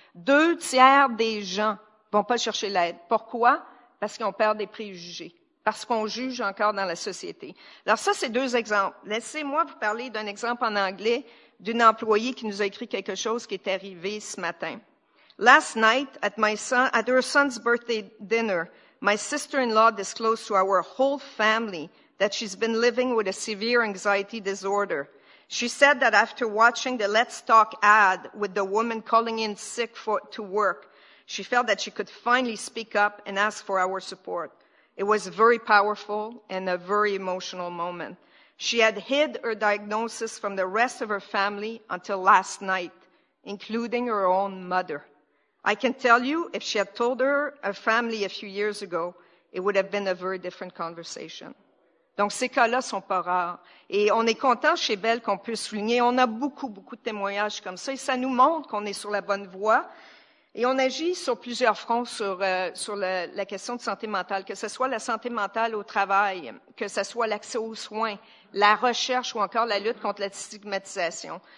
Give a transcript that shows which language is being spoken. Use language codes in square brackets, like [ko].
[fr] 2/3 des gens vont pas chercher l'aide. Pourquoi? Parce qu'ils ont peur des préjugés, parce qu'on juge encore dans la société. Alors ça, c'est deux exemples. Laissez-moi vous parler d'un exemple en anglais d'une employée qui nous a écrit quelque chose qui est arrivé ce matin. [en] Last night at my son, at her son's birthday dinner, my sister-in-law disclosed to our whole family that she's been living with a severe anxiety disorder. She said that after watching the Let's Talk ad with the woman calling in sick to work, she felt that she could finally speak up and ask for our support. It was very powerful and a very emotional moment. She had hid her diagnosis from the rest of her family until last night, including her own mother. I can tell you, if she had told her family a few years ago, it would have been a very different conversation. [fr] Donc, ces cas-là sont pas rares. Et on est content chez Bell qu'on puisse souligner. On a beaucoup, beaucoup de témoignages comme ça. Et ça nous montre qu'on est sur la bonne voie. Et on agit sur plusieurs fronts sur la question de santé mentale, que ce soit la santé mentale au travail, que ce soit l'accès aux soins, la recherche ou encore la lutte contre la stigmatisation.